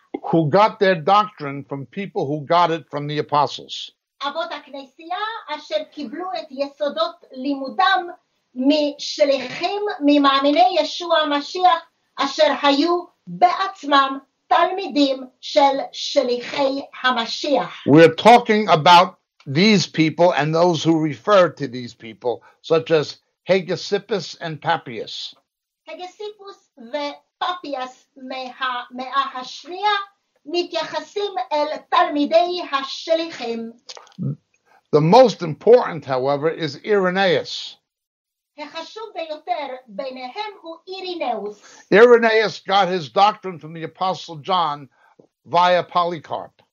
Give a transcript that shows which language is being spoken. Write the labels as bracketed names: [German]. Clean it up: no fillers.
[English] Who got their doctrine from people who got it from the apostles. [Hebrew] אבות הכנסייה אשר קיבלו את יסודות לימודם משליחים ממאמיני ישוע המשיח אשר היו בעצמם תלמידים של שליחי המשיח. [English] We're talking about these people and those who refer to these people, such as Hegesippus and Papias. [Hebrew] Hegesippus ופפיאס מהמאה השנייה מתייחסים אל תלמידי השליחים. [English] The most important, however, is Irenaeus. Irenaeus got his doctrine from the Apostle John via Polycarp.